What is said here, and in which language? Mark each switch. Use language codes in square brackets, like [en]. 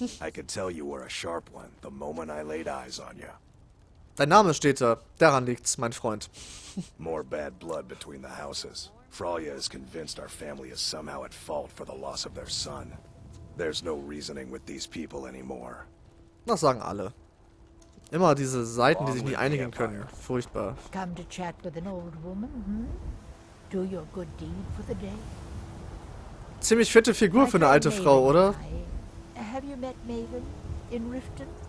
[en] I can tell you were a sharp one the moment I laid eyes on you. [de] Dein Name steht da. Daran liegt's, mein Freund. [en] More bad blood between the houses. Freya is convinced our family is somehow at fault for the loss of their son. There's no reasoning with these people anymore. [de] Das sagen alle. Immer diese Seiten, die sich nie einigen können. Furchtbar. [en] Come to chat with an old woman, Do your good deed for the day. [de] Ziemlich fitte Figur für eine alte Frau, oder? [en] Have you met Maven in Riften?